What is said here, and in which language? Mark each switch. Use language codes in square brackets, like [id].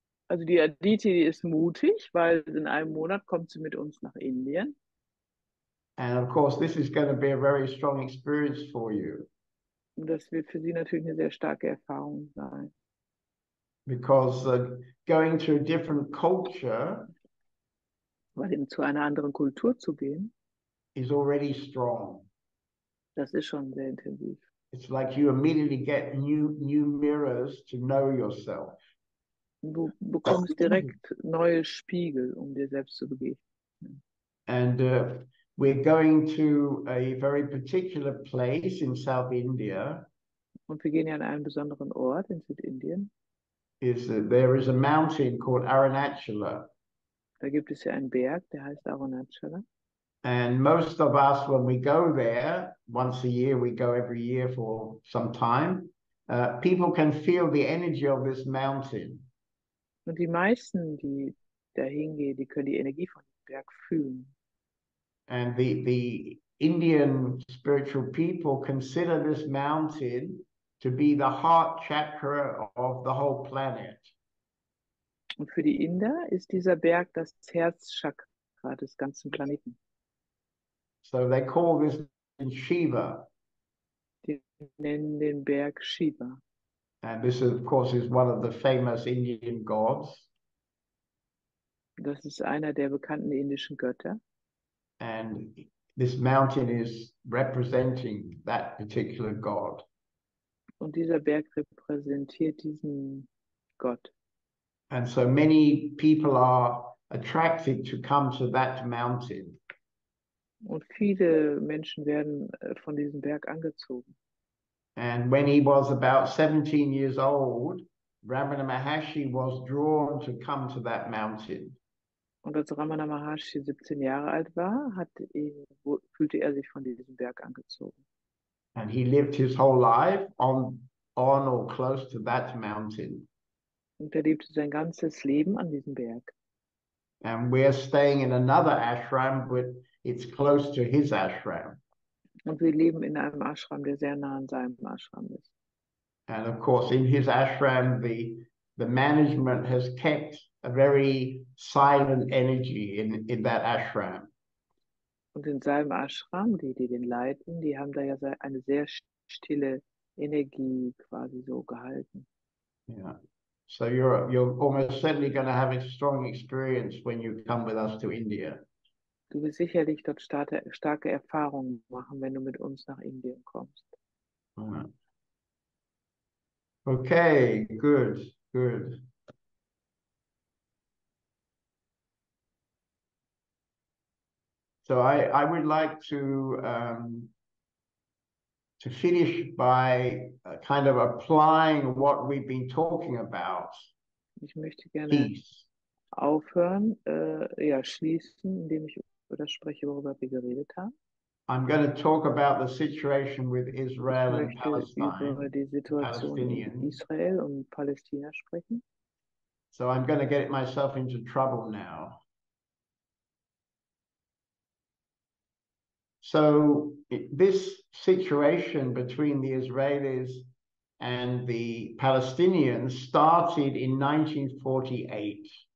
[de] Also die Aditi ist mutig, weil in einem Monat kommt sie mit uns nach Indien. [en] And of course this is going to be a very strong experience for you. [de] Und das wird für sie natürlich eine sehr starke Erfahrung sein. [en] Because going to a different culture, [de] weil eben zu einer anderen Kultur zu gehen, [en] is already strong. [de] Das ist schon sehr intensiv. [en] It's like you immediately get new mirrors to know yourself. [de] Du bekommst direkt neue Spiegel, um dir selbst zu begegnen. [en] And we're going to a very particular place in South India. [de] Und wir gehen ja an einen besonderen Ort in Südindien. [en] There is a mountain called Arunachala. [de] Da gibt es ja einen Berg, der heißt Arunachala. [en] And most of us, when we go there, once a year, we go every year for some time, people can feel the energy of this mountain. [de] Und die meisten, die da hingehen, die können die Energie von dem Berg fühlen. [en] And the Indian spiritual people consider this mountain to be the heart chakra of the whole planet. [de] Und für die Inder ist dieser Berg das Herzchakra des ganzen Planeten. [en] So they call this Shiva. [de] Die nennen den Berg Shiva. [en] And this is, of course, is one of the famous Indian gods. [de] Das ist einer der bekannten indischen Götter. [en] And this mountain is representing that particular god. [de] Und dieser Berg repräsentiert diesen Gott. [en] And so many people are attracted to come to that mountain. [de] Und viele Menschen werden von diesem Berg angezogen. [en] And when he was about 17 years old, Ramana Maharshi was drawn to come to that mountain. [de] Und als Ramana Maharshi 17 Jahre alt war, fühlte er sich von diesem Berg angezogen. [en] And he lived his whole life on or close to that mountain. [de] Und er lebte sein ganzes Leben an diesem Berg. [en] And we're staying in another ashram, but it's close to his ashram. [de] Und wir leben in einem Ashram, der sehr nah an seinem Ashram ist. [en] And of course, in his ashram, the management has kept a very silent energy in that ashram. [de] Und in seinem Ashram, die den leiten, die haben da ja eine sehr stille Energie quasi so gehalten. [en] Yeah. So you're almost certainly going to have a strong experience when you come with us to India. [de] Du wirst sicherlich dort starke Erfahrungen machen, wenn du mit uns nach Indien kommst. [en] Okay, good, good. So I would like to finish by kind of applying what we've been talking about. [de] Ich möchte gerne aufhören, schließen, indem ich über das spreche, worüber wir geredet haben. [en] I'm going to talk about the situation with Israel and Palestine. [de] Die Situation in Israel und Palästina sprechen. [en] So I'm going to get myself into trouble now. So this situation between the Israelis and the Palestinians started in 1948.